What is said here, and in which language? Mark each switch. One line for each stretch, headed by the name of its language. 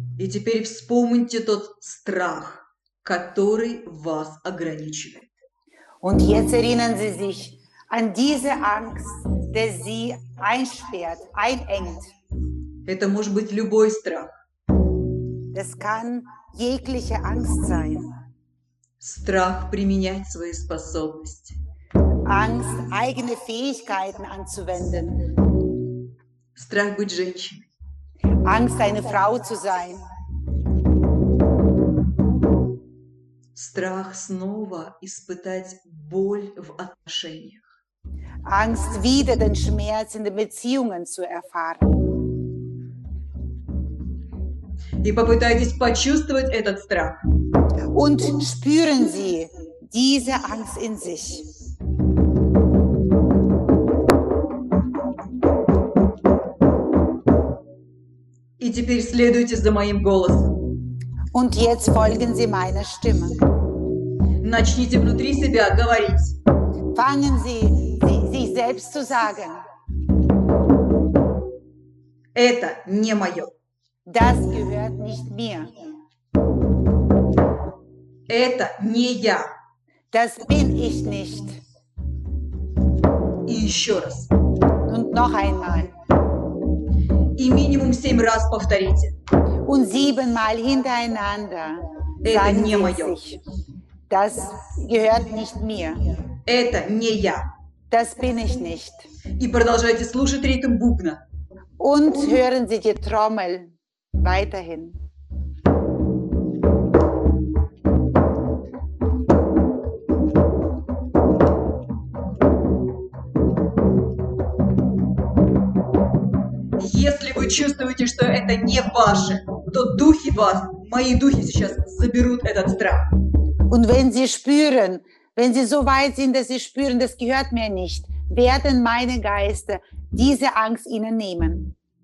Russian: Теперь вспомните тот страх, который вас ограничивает.
German: Und jetzt erinnern Sie sich an diese Angst, die Sie einsperrt, einengt.
Russian: Это может быть любой страх.
German: Das kann jegliche Angst sein.
Russian: Страх применять свои способности.
German: Angst, eigene Fähigkeiten anzuwenden.
Russian: Страх быть женщиной.
German: Angst, eine Frau zu sein.
Russian: Страх снова испытать боль в отношениях.
German: Angst, wieder den Schmerz in den Beziehungen zu erfahren.
Russian: И попытайтесь почувствовать этот страх.
German: Und spüren Sie diese Angst in sich.
Russian: И теперь следуйте за моим голосом.
German: Und jetzt folgen Sie meiner Stimme.
Russian: Начните внутри себя говорить.
German: Fangen Sie sich selbst zu sagen.
Russian: Это не мое.
German: Das gehört nicht mir.
Russian: Это не я.
German: Das bin ich nicht.
Russian: И еще раз.
German: Und noch einmal.
Russian: И минимум 7 раз повторите.
German: Und 7 mal hintereinander.
Russian: Это не мое.
German: Das gehört nicht mir.
Russian: Это не я.
German: Das bin ich nicht.
Russian: И продолжайте слушать ритм бубна.
German: Und hören Sie die Trommel weiterhin.
Russian: И Если вы чувствуете, что это не ваше, то духи вас, мои духи сейчас заберут этот страх.
German: Und wenn Sie spüren, wenn Sie so weit sind, dass Sie spüren, das gehört mir nicht, werden meine Geister diese Angst Ihnen nehmen.